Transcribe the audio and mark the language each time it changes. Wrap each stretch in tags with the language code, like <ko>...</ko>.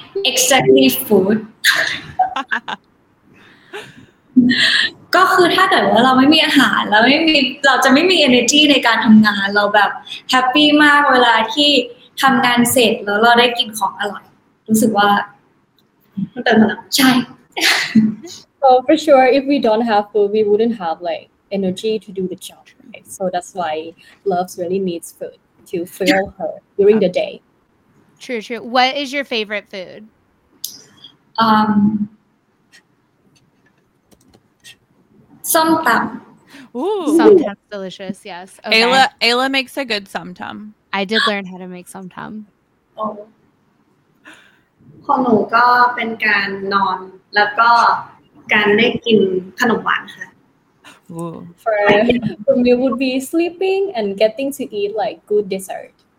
<en>exactly food</en> <th>ก็คือถ้าเกิดว่าเราไม่มีอาหารแล้วไม่มีเราจะไม่มี energy ในการทำงานเราแบบแฮปปี้มากเวลาที่ทำงานเสร็จแล้วเราได้กินของอร่อยรู้สึกว่า เติมพลัง ใช่</th> <en>so for sure if we don't have food we wouldn't have like energy to do the job right so that's why love really needs food to fill her during the day true true what is your favorite food Som tam. Ooh. Som tam is delicious, yes. Okay. Ayla makes a good som tam. I did learn how to make som tam. Oh.</en> <th>ของหนูก็เป็นการนอนแล้วก็การได้กินขนมหวานค่ะ</th> <en>Ooh. For me would be sleeping and getting to eat like good dessert.</en>